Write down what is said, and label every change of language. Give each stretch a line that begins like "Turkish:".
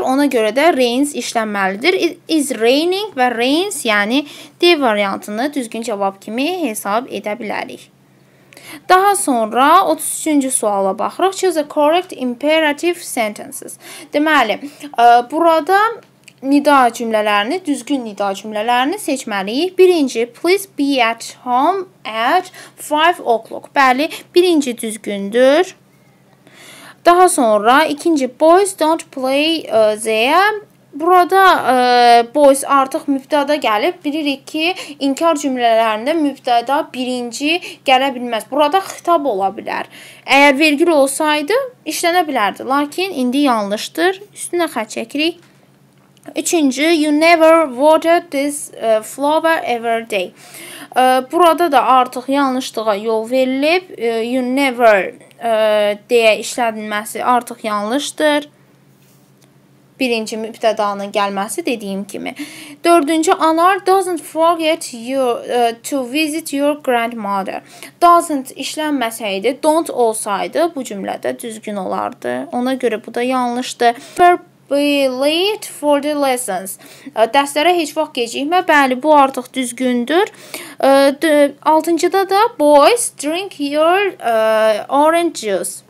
Azerbaijani: Ona görə də rains işlənməlidir.
English: It is raining
Azerbaijani: və rains, yəni D variantını düzgün cavab kimi hesab edə bilərik. Daha sonra 33-cü suala baxırıq.
English: Choose a correct imperative sentences.
Azerbaijani: Deməli, burada nida cümlələrini, düzgün nida cümlələrini seçməliyik.
English: Birinci, please be at home at 5 o'clock.
Azerbaijani: Bəli, birinci düzgündür. Daha sonra ikinci
English: boys don't play there.
Azerbaijani: Burada boys artıq mübtəda gəlib. Bilirik ki, inkar cümlələrində mübtəda birinci gələ bilməz. Burada xitab ola bilər. Əgər vergül olsaydı, işlənə bilərdi. Lakin indi yanlışdır. Üstünə xətt çəkirik. Üçüncü,
English: you never watered this flower every day.
Azerbaijani: Burada da artıq yanlışlığa yol verilib. You never deyə işlədilməsi artıq yanlışdır. Birinci mübtədanın gəlməsi dediyim kimi. Dördüncü,
English: Anar doesn't forget you to visit your grandmother.
Azerbaijani: Doesn't işlənməsəydi, don't olsaydı bu cümlədə düzgün olardı. Ona görə bu da yanlışdır.
English: Be late for the lessons.
Azerbaijani: Dərslərə heç vaxt gecikmə. Bəli, bu artıq düzgündür. Altıncıda da
English: boys drink your orange juice.